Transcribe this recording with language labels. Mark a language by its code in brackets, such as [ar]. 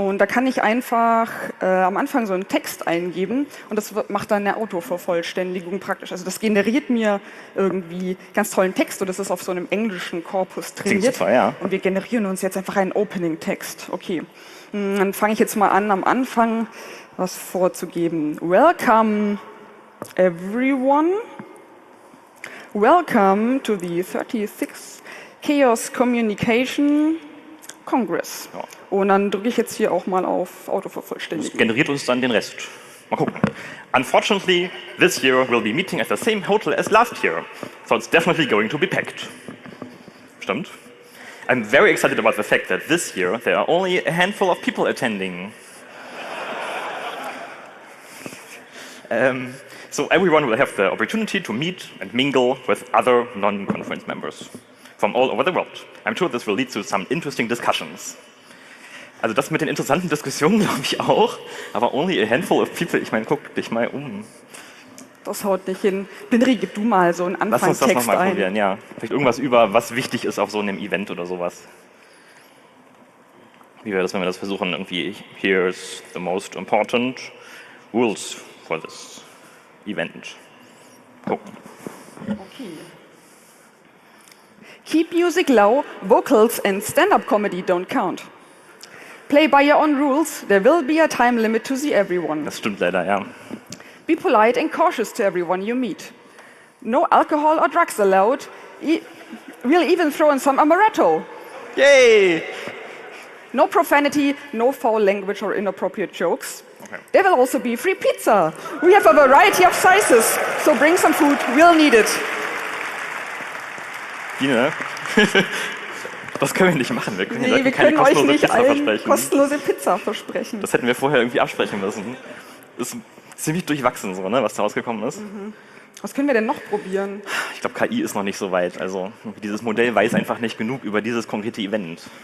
[de] Und da kann ich einfach am Anfang so einen Text eingeben und das macht dann eine Autovervollständigung praktisch. Also das generiert mir irgendwie ganz tollen Text und das ist auf so einem englischen Korpus trainiert. Klingt super, ja. Und wir generieren uns jetzt einfach einen Opening-Text. Okay, dann fange ich jetzt mal an, am Anfang was vorzugeben. [en] Welcome... Everyone, welcome to the 36th Chaos Communication Congress. [de] Ja. Und dann drücke ich jetzt hier auch mal auf Autovervollständigung. Das generiert uns dann den Rest. Mal gucken. [en] Unfortunately, this year we'll be meeting at the same hotel as last year, so it's definitely going to be packed. [de] Stimmt. [en] I'm very excited about the fact that this year there are only a handful of people attending. So everyone will have the opportunity to meet and mingle with other non-conference members from all over the world. I'm sure this will lead to some interesting discussions. [de] Also das mit den interessanten Diskussionen glaube ich auch, aber [en] only a handful of people, [de] ich meine, guck dich mal um. Das haut nicht hin. Henry, gib du mal so einen Anfangstext ein. Lass uns das nochmal probieren, ja. Vielleicht irgendwas über, was wichtig ist auf so einem Event oder sowas. Wie wäre das, wenn wir das versuchen, irgendwie, [en] here's the most important rules for this event. Oh. Okay. Keep music low, vocals and stand-up comedy don't count. Play by your own rules, there will be a time limit to see everyone. [de] Das stimmt leider, ja. [en] Be polite and cautious to everyone you meet. No alcohol or drugs allowed. We'll even throw in some amaretto. Yay! No profanity, no foul language or inappropriate jokes. Okay. There will also be free pizza. We have a variety of sizes, so bring some food, we'll need it. [de] Dina, das können wir nicht machen. Wir können, nee, wir keine können euch nicht allen kostenlose Pizza versprechen. Das hätten wir vorher irgendwie absprechen müssen. Ist ziemlich durchwachsen, so, ne, was da rausgekommen ist. Mhm. Was können wir denn noch probieren? Ich glaube, KI ist noch nicht so weit. Also dieses Modell weiß einfach nicht genug über dieses konkrete Event.